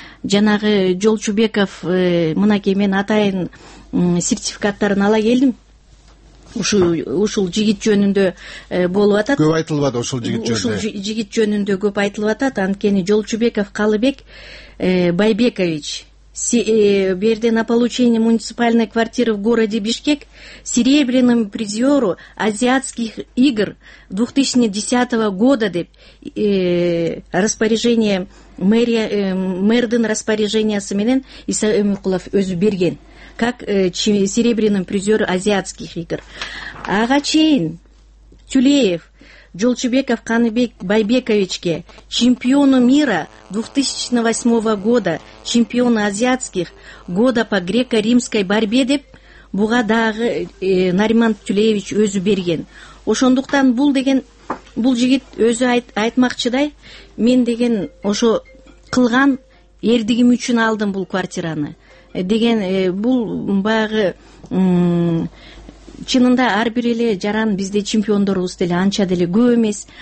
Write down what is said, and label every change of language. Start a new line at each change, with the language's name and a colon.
Kyrgyz: Жанагы Жолчубеков, мынакей мен атайын сертификаттарын ала келдим. Ушул жигит жөнүндө болуп атат. Көп айтылып атат ушул жигит жөнүндө. Ушул жигит жөнүндө көп айтылып атат. Анткени Жолчубеков Калыбек Байбекович. Берди
Russian: на получение муниципальной квартиры в городе Бишкек серебряным призёру азиатских игр 2010 года
Kyrgyz: деп
Russian: распоряжение мэрия
Kyrgyz: мэрдин распоряжениясы менен Иса Өмүкулов өзү берген.
Russian: Как серебряным призёру азиатских игр.
Kyrgyz: Ага чейин
Russian: Тюлеев Жолчубеков Каныбек Байбековичке чемпиону мира 2008 года, чемпиону азиатских года по греко-римской борьбе
Kyrgyz: деп буга дагы Нариман Тюлеевич өзү берген. Ошондуктан бул деген бул жигит өзү айтмакчыдай, мен деген ошо кылган эрдигим үчүн алдым бул квартираны деген бул баягы чынында ар бир эле жаран бизде чемпиондорубуз деле анча деле көп эмес.